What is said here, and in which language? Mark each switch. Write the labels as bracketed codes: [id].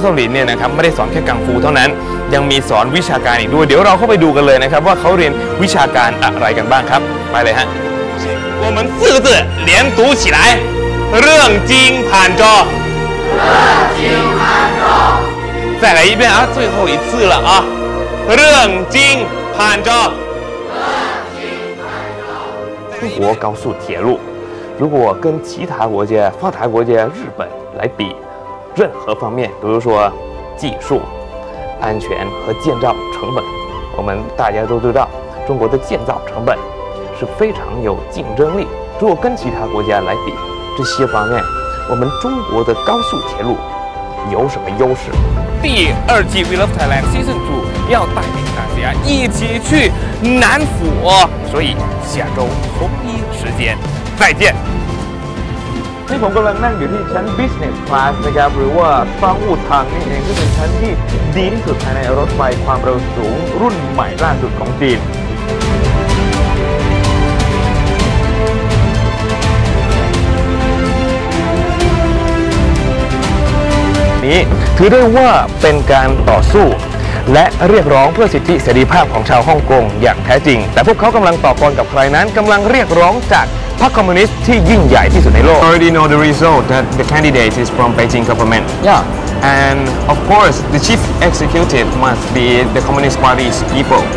[zh] 这种理念呢 [th] ไม่ได้สอนแค่กังฟูเท่านั้นยังมีสอนวิชาการอีกด้วยเดี๋ยวเราเข้าไปดูกันเลยนะครับว่าเขาเรียนวิชาการอะไรกันบ้างครับไปเลยฮะ [zh] 我们四个字连读起来เรื่องจริงผ่านจอ [th] เรื่องจริงผ่านจอ [zh] 再来一遍啊最后一次了啊เรื่องจริงผ่านจอ [th] เรื่องจริ [zh] งผ่านจอ高速铁路如果跟其他国家发达国家日本来比任何方面比如说技术安全和建造成本我们大家都知道中国的建造成本是非常有竞争力如果跟其他国家来比这些方面我们中国的高速铁路有什么优势第二季 We Love Thailand Season 2要带领大家一起去南府所以下周同一时间再见 [th] นี่ผมกำลังนั่งอยู่ที่ชั้น business class นะครับหรือว่าฟังอุทังนี่เองก็เป็นชั้นที่ดีที่สุดภายในรถไฟความเร็วสูงรุ่นใหม่ล่าสุดของจีน นี่ถือได้ว่าเป็นการต่อสู้และเรียกร้องเพื่อสิทธิเสรีภาพของชาวฮ่องกงอย่างแท้จริงแต่พวกเขากำลังต่อกรกับใครนั้นกำลังเรียกร้องจากพรรคคอมมิวนิสต์ที่ยิ่งใหญ่ที่สุดในโลก [en] Already know the result that the candidate is from Beijing government Yeah and of course the chief executive must be the Communist Party's people